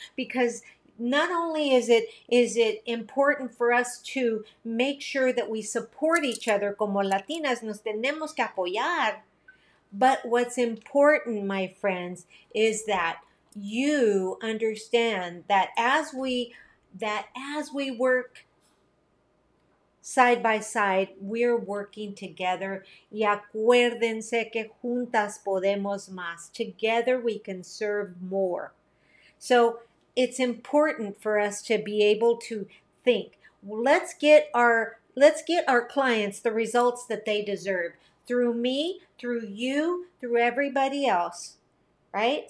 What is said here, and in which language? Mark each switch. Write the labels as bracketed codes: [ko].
[en] Because not only is it important for us to make sure that we support each other, [es] como Latinas nos tenemos que apoyar, [en] but what's important, my friends, is that you understand that as we work side by side, we're working together. [es] Y acuérdense que juntas podemos más. [en] Together we can serve more. So it's important for us to be able to think. Let's get our clients the results that they deserve. Through me, through you, through everybody else. Right?